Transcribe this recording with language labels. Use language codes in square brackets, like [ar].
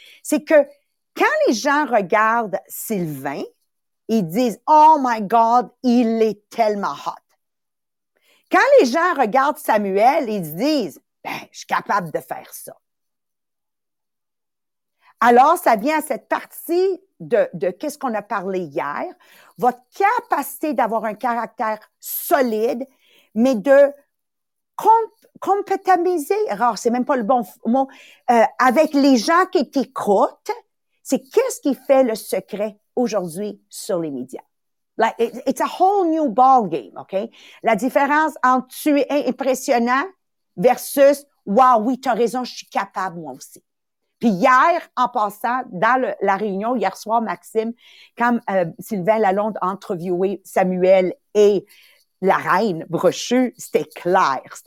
[fr] C'est que quand les gens regardent Sylvain, ils disent « [en] Oh my God, [fr] il est tellement hot! » Quand les gens regardent Samuel, ils disent « Ben, je suis capable de faire ça! » Alors, ça vient à cette partie de qu'est-ce qu'on a parlé hier, votre capacité d'avoir un caractère solide, mais de compétamiser, oh, c'est même pas le bon mot, avec les gens qui t'écoutent, c'est qu'est-ce qui fait le secret aujourd'hui sur les médias? [en] Like, it's a whole new ball game, OK? [fr] La différence entre tu es impressionnant versus, wow, oui, t'as raison, je suis capable moi aussi. Puis hier, en passant, dans la réunion hier soir, Maxime, quand Sylvain Lalonde a interviewé Samuel et la reine Brochu, c'était clair.